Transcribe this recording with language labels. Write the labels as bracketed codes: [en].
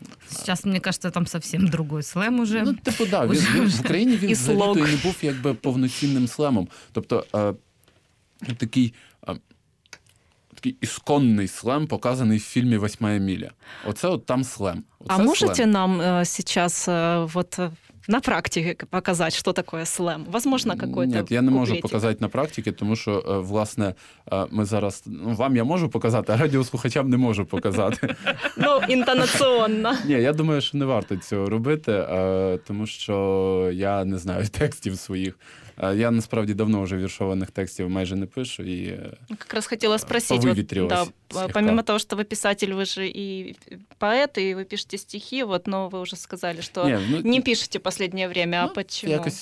[uk] Зараз, мені кажеться, там зовсім другий слем уже. Ну, типу, да, він в Україні він взагалі не був якби повноцінним слемом. Тобто такий... [ru] Исконный слэм, показанный в фильме «Восьмая миля». Оце вот там слэм. Оце а можете слэм? Нам сейчас вот на практике показать, что такое слэм? Возможно, какой-то нет, я не куплетик. Можу показать на практике, потому что, власне, мы зараз... [uk] Ну, вам я можу показать, а радиослухачам не можу показать. [ru] Ну, интонационно. [uk] Ні, я думаю, что не варто цього робити, тому що я не знаю текстів своїх. Я насправді давно вже віршованих текстів майже не пишу і [ru] как раз [uk] хотіла спросить, вот, да, [ru] помимо того, [uk] що ви писатель, ви ж і поет, і ви пишете стихи, вот, но ви вже сказали, що не пишете останнє время, [ru] а почему?